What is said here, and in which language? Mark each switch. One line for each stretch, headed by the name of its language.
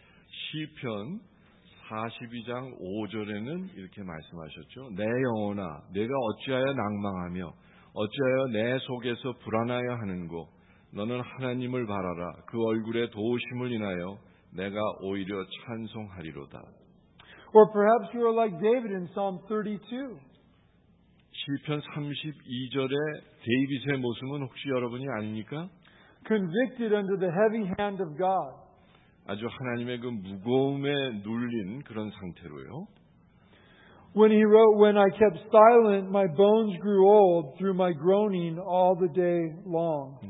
Korean: 시편 42장 5절에는 이렇게 말씀하셨죠. 내 영혼아, 내가 어찌하여 낙망하며 어찌하여 내 속에서 불안하여 하는고? 너는 하나님을 바라라. 그 얼굴에 도우심을 인하여 내가 오히려 찬송하리로다.
English: Or perhaps you are like David in Psalm 32.
Korean: 시편 32절의 데이빗의 모습은 혹시 여러분이 아닙니까?
English: Convicted under the heavy hand of God.
Korean: 아주 하나님의 그 무거움에 눌린 그런 상태로요.
English: When he wrote, When I kept silent, my bones grew old through my groaning all the day long.